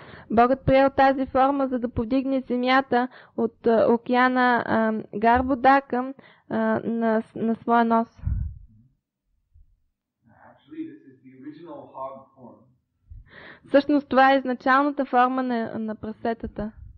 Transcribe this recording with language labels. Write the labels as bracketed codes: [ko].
[bg] Богът приел тази форма, за да повдигне земята от океана Гарбодака на своя нос. [en] Actually, this is the original hog form. [bg] Всъщност това е изначалната форма на прасетата.